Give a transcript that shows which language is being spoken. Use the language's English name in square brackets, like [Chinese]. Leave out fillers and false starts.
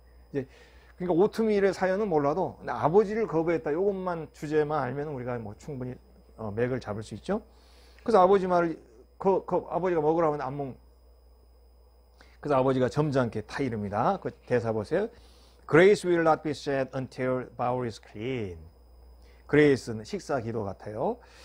[Korean] 이제 그러니까 오트밀의 사연은 몰라도 아버지를 거부했다 이것만 주제만 알면 우리가 뭐 충분히 맥을 잡을 수 있죠. 그래서 아버지 말을 아버지가 먹으라 하면 안 먹. 그래서 아버지가 점잖게 타이릅니다. 그 대사 보세요. [English] Grace will not be said until bowel is clean. [Korean] Grace는 식사 기도 같아요.